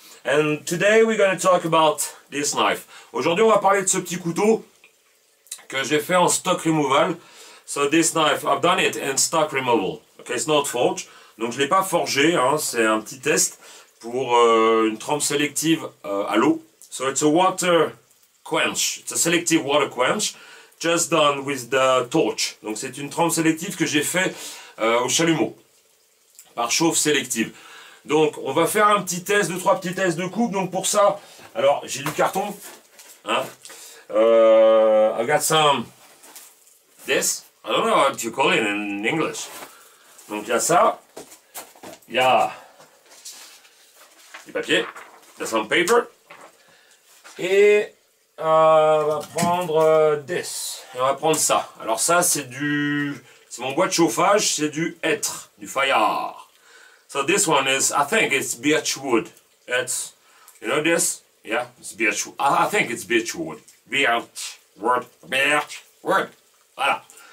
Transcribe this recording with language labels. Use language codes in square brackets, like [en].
[en] And today we're going to talk about this knife. [fr] Aujourd'hui on va parler de ce petit couteau que j'ai fait en stock removal. [en] So this knife, I've done it in stock removal. Okay, it's not forged. [fr] Donc je ne l'ai pas forgé, hein, c'est un petit test pour une trempe sélective à l'eau. [en] So it's a water quench, it's a selective water quench, just done with the torch. [fr] Donc c'est une trempe sélective que j'ai fait au chalumeau, par chauffe sélective. Donc on va faire un petit test, deux, trois petits tests de coupe. Donc pour ça, alors j'ai du carton, hein. [en] I've got some this, I don't know what you call it in English. [fr] Donc il y a ça. Il y a du papier, de [en] some paper, [fr] et on va prendre this, et on va prendre ça. Alors ça c'est mon bois de chauffage, c'est du hêtre, du fire. [en] So this one is, I think it's birch wood, it's, you know this, yeah, it's birch wood, I think it's birch wood, birch wood, voilà.